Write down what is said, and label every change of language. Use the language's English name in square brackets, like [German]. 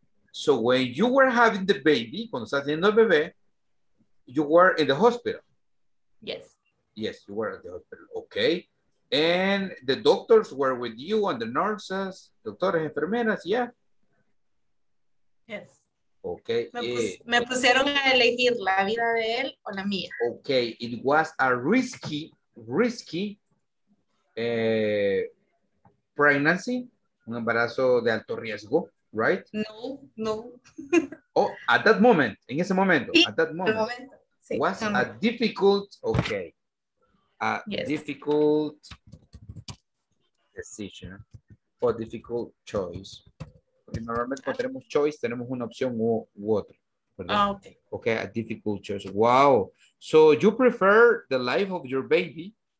[English] So when you were having the baby, [Spanish] cuando estás teniendo el bebé, [English] you were in the hospital. Yes. Yes, you were at the hospital. Okay. And the doctors were with you and the nurses, [Spanish] doctores, enfermeras, [English] yeah. Yes. Okay. [Spanish] Me pusieron a elegir la vida de él o la mía. [English] Okay. It was a risky pregnancy, [Spanish] un embarazo de alto riesgo. [English] Right? No. Oh, at that moment, [Spanish] en ese momento, sí, [English] at that moment, [Spanish] sí, [English] was a difficult, okay, a yes. difficult decision or difficult choice. [Spanish] Porque normalmente cuando tenemos choice, tenemos una opción u otra. ¿Verdad? Ah, okay. [English] Okay, a difficult choice. Wow. So you prefer the life of your baby.